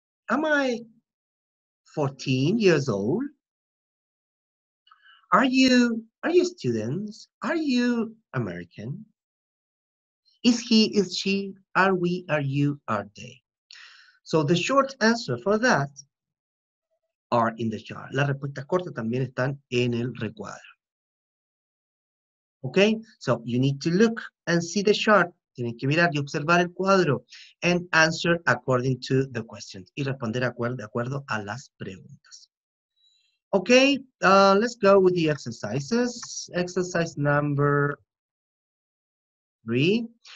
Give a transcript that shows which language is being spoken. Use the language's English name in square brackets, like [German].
[English] Am I 14 years old? Are you students? Are you American? Is he, is she, are we, are you, are they? So the short answer for that are in the chart. [Spanish] Las respuestas cortas también están en el recuadro. [English] Okay, so you need to look and see the chart. [Spanish] Tienen que mirar y observar el cuadro [English] and answer according to the questions. [Spanish] Y responder de acuerdo a las preguntas. [English] Okay, let's go with the exercises. Exercise number 3.